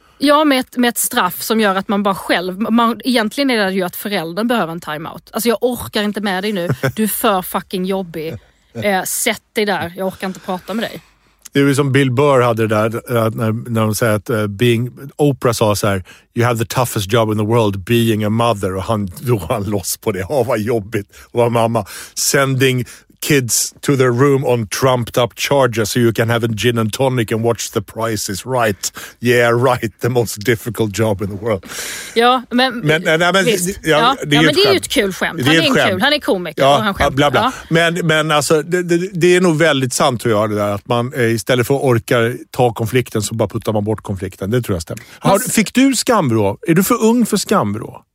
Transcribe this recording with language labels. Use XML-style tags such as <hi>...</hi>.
<sv>Ja, med ett straff som gör att man bara själv... Man, egentligen är det ju att föräldern behöver en timeout. Alltså jag orkar inte med dig nu. Du är för fucking jobbig. Sätt dig där. Jag orkar inte prata med dig. Det är ju som Bill Burr hade det där. När de säger att Oprah sa så här...</sv> <en>You have the toughest job in the world being a mother.</en> <sv>Och han drog han loss på det. Ja, vad jobbigt. Och var mamma.</sv> <en>Sending kids to their room on trumped up charges so you can have a gin and tonic and watch The Price is Right. Yeah, right. The most difficult job in the world.</en> <sv>Ja, men det är ju ett kul skämt. Han är komiker. Ja, och han bla bla. Ja. Men alltså, det är nog väldigt sant att göra det där. Att man istället för att orka ta konflikten så bara puttar man bort konflikten. Det tror jag stämmer. Fick du skambrå? Är du för ung för skambrå?</sv>